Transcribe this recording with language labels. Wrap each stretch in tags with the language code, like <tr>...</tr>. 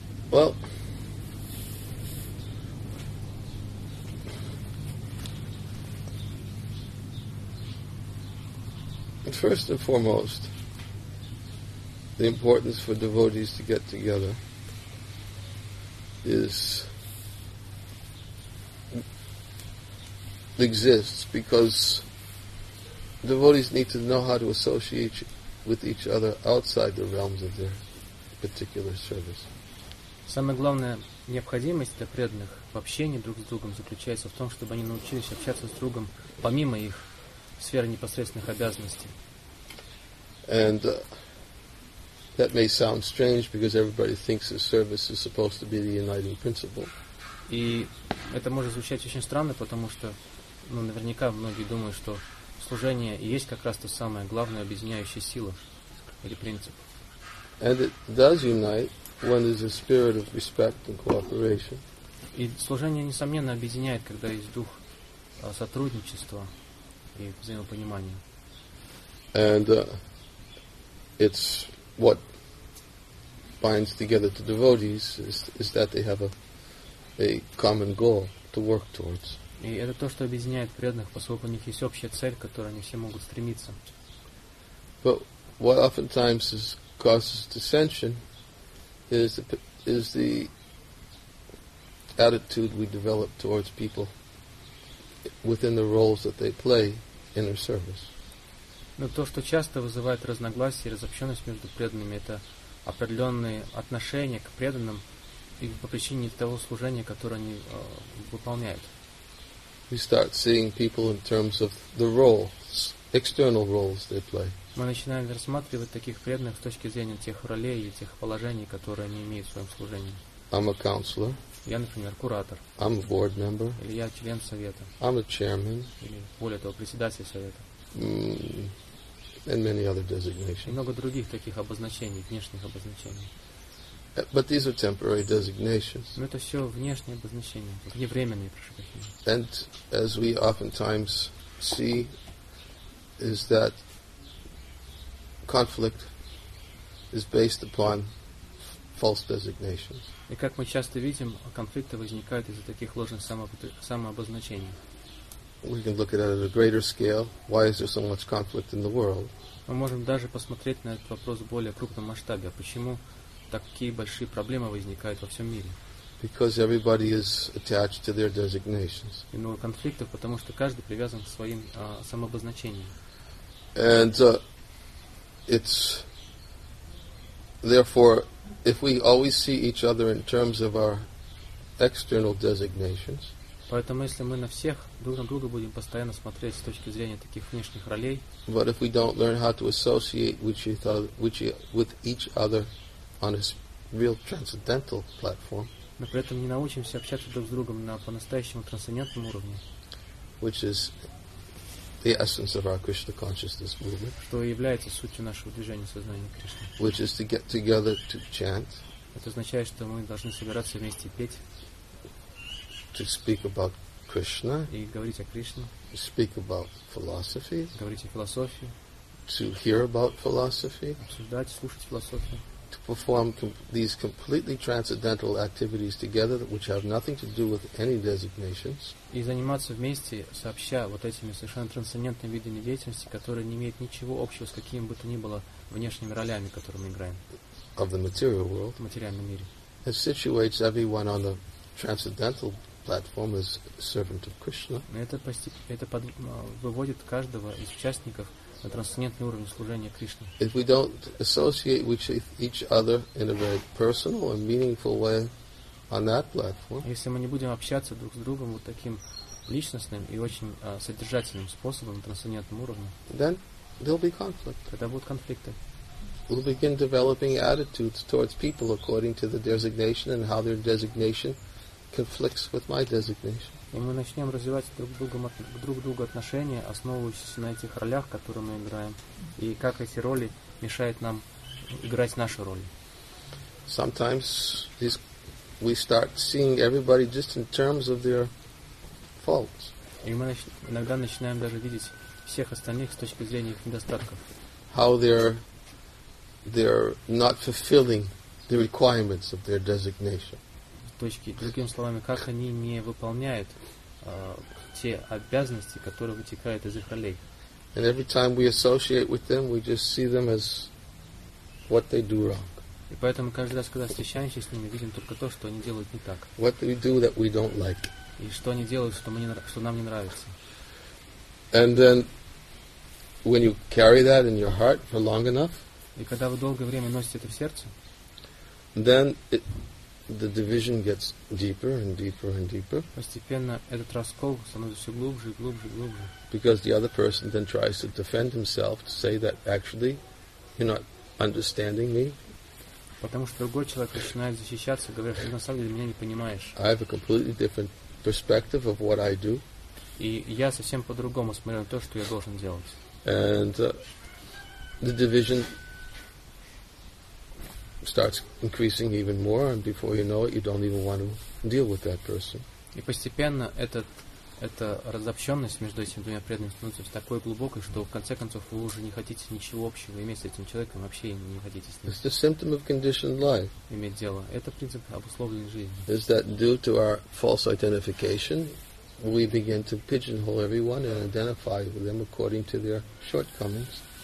<en>Well, first and foremost, the importance for devotees to get together exists because devotees need to know how to associate with each other outside the realms of their particular service.</en> <ru>Самая главная необходимость для преданных в общении друг с другом заключается в том, чтобы они научились общаться с другом помимо их сферы непосредственных обязанностей.</ru> <en>And that may sound strange because everybody thinks that service is supposed to be the uniting principle.</en> <ru>И это может звучать очень странно, потому что наверняка многие думают, что служение и есть как раз та самая главная объединяющая сила или принцип.</ru> <en>And it does unite. When there's a spirit of respect and cooperation.</en> <ru>И служение несомненно объединяет, когда есть дух сотрудничества и взаимопонимания.</ru> <en>And it's what binds together the devotees is that they have a common goal to work towards.</en> <ru>И это то, что объединяет преданных, поскольку у них есть общая цель, к которой они все могут стремиться.</ru> <en>But what oftentimes causes dissension is the attitude we develop towards people within the roles that they play in their service.</en> <ru>Но то, что часто вызывает разногласия и разобщенность между преданными, это определенные отношения к преданным и по причине того служения, которое они выполняют.</ru> <en>We start seeing people in terms of the roles, external roles they play.</en> <ru>Мы начинаем рассматривать таких преданных с точки зрения тех ролей и тех положений, которые они имеют в своем служении.</ru> <en>I'm a counselor.</en> <ru>Я, например, куратор.</ru> <en>I'm a board member.</en> <ru>Или я член совета.</ru> <en>I'm a chairman.</en> <ru>Или, более того, председатель совета.</ru> <en>And many other designations.</en> <ru>И много других таких обозначений, внешних обозначений.</ru> <en>But these are temporary designations.</en> <ru>Но это все внешние обозначения, вневременные, прошу прощения.</ru> <en>And as we oftentimes see, is that conflict is based upon false designations.</en> <ru>И как мы часто видим, конфликты возникают из-за таких ложных самообозначений.</ru> <en>We can look at it at a greater scale. Why is there so much conflict in the world?</en> <ru>Мы можем даже посмотреть на этот вопрос в более крупном масштабе. Почему такие большие проблемы возникают во всем мире?</ru> <en>Because everybody is attached to their designations.</en> <ru>И много конфликтов, потому что каждый привязан к своим самообозначениям.</ru> <en>And it's therefore, if we always see each other in terms of our external designations.</en> <ru>Поэтому, если мы на всех друг на друга будем постоянно смотреть с точки зрения таких внешних ролей.</ru> <en>But if we don't learn how to associate with each other on a real transcendental platform.</en> <ru>Но при этом не научимся общаться друг с другом на по-настоящему трансцендентном уровне.</ru> <en>Which is the essence of our Krishna consciousness movement.</en> <ru>Что является сутью нашего движения сознания Кришны.</ru> <en>Which is to get together to chant.</en> <ru>Это означает, что мы должны собираться вместе петь.</ru> <en>To speak about Krishna.</en> <ru>И говорить о Кришне.</ru> <en>To speak about philosophy.</en> <ru>Говорить о философии.</ru> <en>To hear about philosophy.</en> <ru>Обсуждать, слушать философию.</ru> <en>To perform these completely transcendental activities together, which have nothing to do with any designations.</en> <ru>И заниматься вместе, сообща вот этими совершенно трансцендентными видами деятельности, которые не имеют ничего общего с какими бы то ни было внешними ролями, которые мы играем.</ru> <en>Of the material world.</en> <ru>В материальном мире.</ru> <en>It situates everyone on the transcendental platform as servant of Krishna.</en> <ru>Это выводит каждого из участников на трансцендентный уровень служения Кришне.</ru> <en>If we don't associate with each other in a very personal and meaningful way on that platform,</en> <ru>если мы не будем общаться друг с другом вот таким личностным и очень содержательным способом на трансцендентном уровне,</ru> <en>then there'll be conflict.</en> <ru>Тогда будут конфликты.</ru> <en>We'll begin developing attitudes towards people according to the designation and how their designation conflicts with my designation.</en> <ru>И мы начнем развивать друг к другу отношения, основываясь на этих ролях, которые мы играем, и как эти роли мешают нам играть наши роли.</ru> <en>Sometimes we start seeing everybody just in terms of their faults.</en> <ru>И мы иногда начинаем даже видеть всех остальных с точки зрения их недостатков.</ru> <en>How they're not fulfilling the requirements of their designation.</en> <ru>Другими словами, как они не выполняют те обязанности, которые вытекают из их ролей.</ru> <en>And every time we associate with them, we just see them as what they do wrong.</en> <ru>И поэтому каждый раз, когда встречаемся с ними, видим только то, что они делают не так.</ru> <en>What they do that we don't like.</en> <ru>И что они делают, что нам не нравится.</ru> <en>And then, when you carry that in your heart for long enough,</en> <ru>и когда вы долгое время носите это в сердце,</ru> <en>then the division gets deeper and deeper and deeper.</en> <ru>Постепенно этот раскол становится все глубже и глубже и глубже.</ru> <en>Because the other person then tries to defend himself to say that actually you're not understanding me.</en> <ru>Потому что другой человек начинает защищаться, говоря, что на самом деле меня не понимаешь.</ru> <en>I have a completely different perspective of what I do.</en> <ru>И я совсем по-другому смотрю на то, что я должен делать.</ru> <en>And the division starts increasing even more, and before you know it, you don't even want to deal with that person.</en> <ru>И постепенно эта разобщенность между этими двумя преданными становится такой глубокой, что в конце концов вы уже не хотите ничего общего иметь с этим человеком, вообще не хотите с ним.</ru> <en>It's the symptom of conditioned life.</en> <ru>Иметь дело. Это принцип обусловленной жизни.</ru> <en>Is that due to our false identification, we begin to pigeonhole everyone and identify with them according to their shortcomings.</en>